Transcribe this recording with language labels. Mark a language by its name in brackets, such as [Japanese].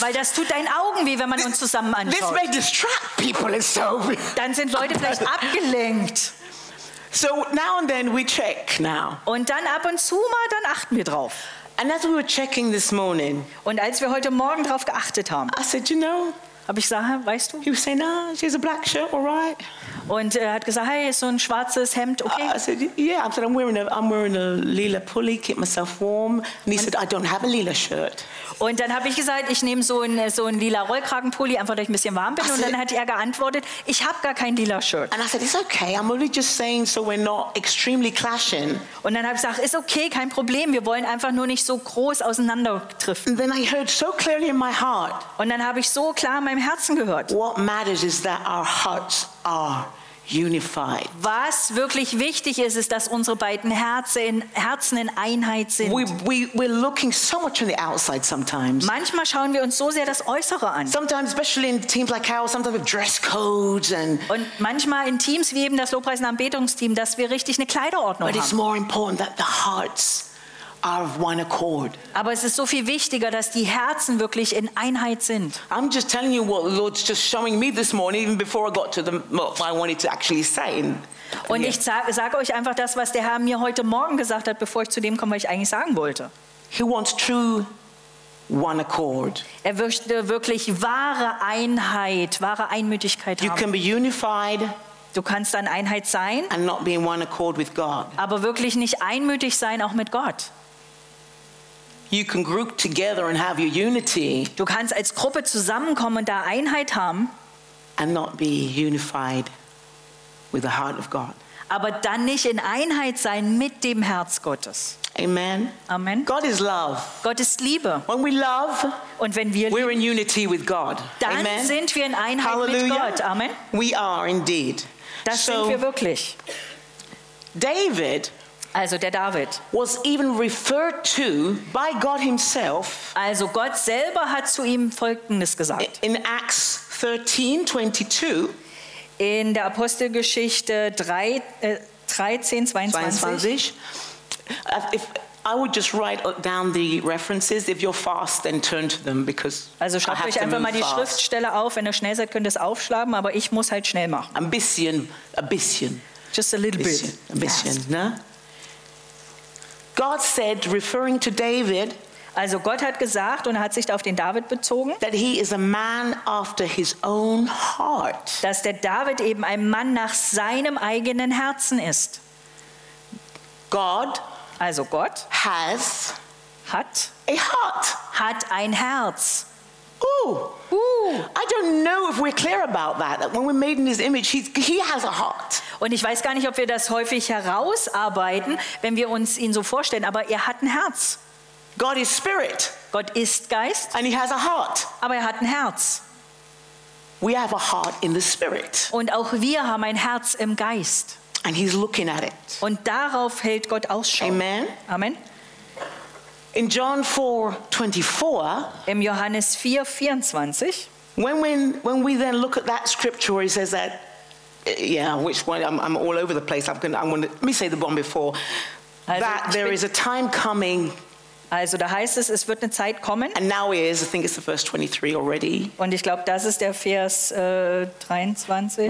[German] Weil das tut deinen Augen weh, wenn man uns zusammen anschaut. [English] This may distract people in so. [German] Dann sind Leute vielleicht abgelenkt. [English] So now and then we check now. [German] Und dann ab und zu mal, dann achten wir drauf. [English] And as we were checking this morning. [German] Und als wir heute Morgen drauf geachtet haben. [English] I said, you know. [German] Habe ich gesagt, weißt du? [English] He was saying, ah, she's a black shirt, all right. [German] Und er hat gesagt, hey, so ein schwarzes Hemd, okay? [English] I said, yeah. I said, I'm wearing a [German] lila pulli, [English] keep myself warm. And he said, I don't have a lila shirt. [German] Und dann habe ich gesagt, ich nehme so ein lila Rollkragenpulli, einfach, dass ich ein bisschen warm bin. Und dann hat er geantwortet, ich habe gar kein lila Shirt. [English] And I said, it's okay. I'm only just saying, so we're not extremely clashing. [German] Und dann habe ich gesagt, ist okay, kein Problem. Wir wollen einfach nur nicht so groß auseinanderdriften. [English] And then I heard so clearly in my heart. [German] Und dann habe ich so klar in meinem Herzen gehört. [English] What matters is that our hearts are unified. [German] Was wirklich wichtig ist, ist, dass unsere beiden Herzen in Einheit sind. [English] We're looking so much on the outside sometimes. [German] Manchmal schauen wir uns so sehr das Äußere an. [English] Sometimes, especially in teams like ours, sometimes with dress codes and. [German] Und manchmal in Teams wie eben das Lobpreis- und Anbetungsteam, dass wir richtig eine Kleiderordnung haben. [English] But it's more important that the hearts are of one accord. [German] Aber es ist so viel wichtiger, dass die Herzen wirklich in Einheit sind. [English] I'm just telling you what the Lord's just showing me this morning, even before I got to the what I wanted to actually say. [German] Und ich sage euch einfach das, was der Herr mir heute Morgen gesagt hat, bevor ich zu dem komme, was ich eigentlich sagen wollte. [English] He wants true one accord. [German] Er möchte wirklich wahre Einheit, wahre Einmütigkeit haben. [English] You can be unified. [German] Du kannst dann Einheit sein, [English] and not be in one accord with God. [German] Aber wirklich nicht einmütig sein auch mit Gott. [English] You can group together and have your unity. [German] Du kannst als Gruppe zusammenkommen und da Einheit haben, [English] and not be unified with the heart of God. [German] Aber dann nicht in Einheit sein mit dem Herz Gottes. Amen. Amen. [English] God is love. [German] Gott ist Liebe. [English] When we love, [German] und wenn wir lieben, [English] we're in unity with God. [German] Dann Amen. Sind wir in Einheit Hallelujah. Mit Gott. Amen. [English] We are indeed. [German] Das so, sind wir wirklich. [English] David, [German] also der David, [English] was even referred to by God himself. [German] Also Gott selber hat zu ihm Folgendes gesagt. [English] In Acts 13:22, [German] in der Apostelgeschichte 13:22. [English] If I would just write down the references, if you're fast, then turn to them because [German] also schreibt euch einfach mal die Schriftstelle auf. Wenn ihr schnell seid, könnt ihr es aufschlagen, aber ich muss halt schnell machen. A bisschen. [English] Just a little bit. [German] A bisschen, ne? [English] God said, referring to David. [German] Also Gott hat gesagt und hat sich auf den David bezogen. [English] That he is a man after his own heart. [German] Dass der David eben ein Mann nach seinem eigenen Herzen ist. [English] God, [German] also Gott, hat [English] a heart, [German] hat ein Herz. Ooh. [English] I don't know if we're clear about that. That when we're made in His image, He has a heart. [German] Und ich weiß gar nicht, ob wir das häufig herausarbeiten, wenn wir uns ihn so vorstellen. Aber er hat ein Herz. [English] God is spirit. [German] Gott ist Geist. [English] And He has a heart. [German] Aber er hat ein Herz. [English] We have a heart in the spirit. [German] Und auch wir haben ein Herz im Geist. [English] And he's looking at it. [German] Und darauf hält Gott Ausschau. Amen. Amen. [English] In John 4:24. [German] Im Johannes 4:24. [English] When we then look at that scripture, he says that, yeah, which one? I'm all over the place. Let me say the one before. [German] Also, [English] that there is a time coming. [German] Also da heißt es wird eine Zeit kommen. [English] And now it is. I think it's the verse 23 already. [German] Und ich glaube, das ist der Vers 23.